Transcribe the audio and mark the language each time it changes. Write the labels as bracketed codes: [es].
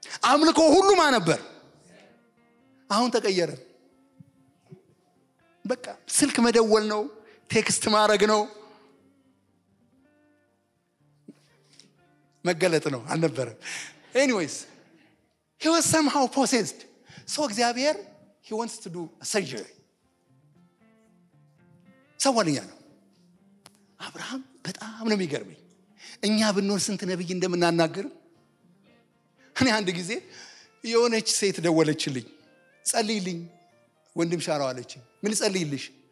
[am] አምልኮ ሁሉ ማ ነበር? አሁን ተቀየረ። በቃ ስልክ መደወል ነው፣ ቴክስት ማረግ ነው፣ መገለጥ ነው። አልነበረም። [en] anyways he was somehow possessed. so እግዚአብሔር he wants to do a surgery. [am] ሰውልኛ ነው አብርሃም። በጣም ነው የሚገርመኝ። እኛ ብንኖር ስንት ነብይ እንደምናናገር። እኔ አንድ ጊዜ የሆነች ሴት ደወለችልኝ፣ ጸልይልኝ ወንድም ሻራው አለች። ምን ጸልይልሽ?